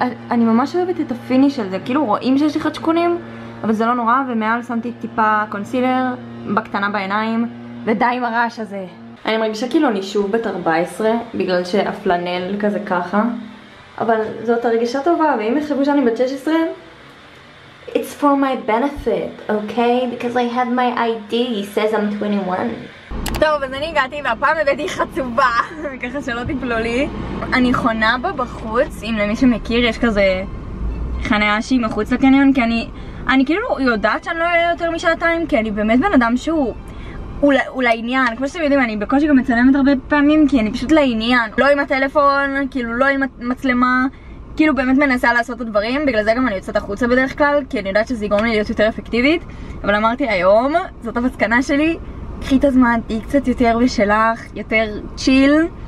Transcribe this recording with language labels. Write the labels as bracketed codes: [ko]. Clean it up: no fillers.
[he] אני ממש אוהבת את הפיניש של זה. כאילו רואים שיש לי חדשקונים, אבל זה לא נורא, ומעל שמתי טיפה קונסילר בקטנה בעיניים. ודי עם הרעש הזה. אני מרגישה כאילו אני שוב בת 14, בגלל שהפלנל כזה ככה. אבל זאת הרגישה טובה, ואם יחשבו שאני בת 16? [en] It's for my benefit, okay? Because I have my ID, it says I'm 21. [he] טוב, אז אני הגעתי והפעם הבאתי חצובה, וככה שלא תפלו לי. אני חונה בה בחוץ, אם למי שמכיר יש כזה חניה שהיא מחוץ לקניון, כי אני כאילו יודעת שאני לא אהיה יותר משעתיים, כי אני באמת בן אדם שהוא... הוא לעניין, כמו שאתם יודעים, אני בקושי גם מצלמת הרבה פעמים כי אני פשוט לעניין, לא עם הטלפון, כאילו לא עם מצלמה, כאילו באמת מנסה לעשות את הדברים, בגלל זה גם אני יוצאת החוצה בדרך כלל, כי אני יודעת שזה יגרום לי להיות יותר אפקטיבית, אבל אמרתי היום, זאת המסקנה שלי, קחי את הזמן, תהיי קצת יותר בשלך, יותר צ'יל.